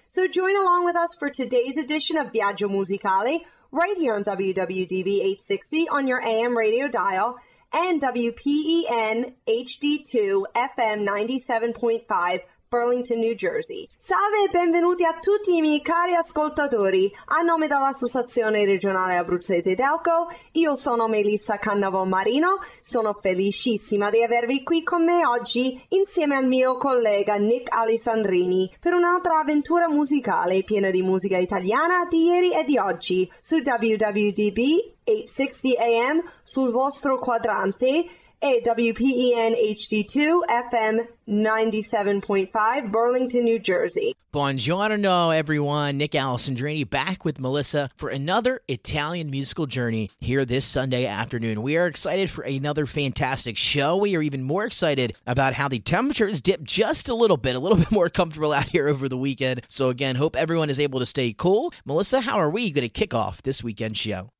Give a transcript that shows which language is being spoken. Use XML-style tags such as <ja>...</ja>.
<en>So join along with us for today's edition of Viaggio Musicale, right here on WWDB 860 on your AM radio dial, and WPEN HD2 FM 97.5, Burlington, New Jersey.</en> <it>Salve e benvenuti a tutti i miei cari ascoltatori. A nome dell'Associazione Regionale Abruzzese Delco, io sono Melissa Cannavo Marino. Sono felicissima di avervi qui con me oggi, insieme al mio collega Nick Alessandrini, per un'altra avventura musicale piena di musica italiana di ieri e di oggi, su WWDB 860 AM, sul vostro quadrante, e WPEN HD2 FM 97.5, Burlington, New Jersey. Buongiorno,</it> <en>everyone. Nick Alessandrini back with Melissa for another Italian musical journey here this Sunday afternoon. We are excited for another fantastic show. We are even more excited about how the temperature has dipped just a little bit more comfortable out here over the weekend. So again, hope everyone is able to stay cool. Melissa, how are we going to kick off this weekend's show?</en>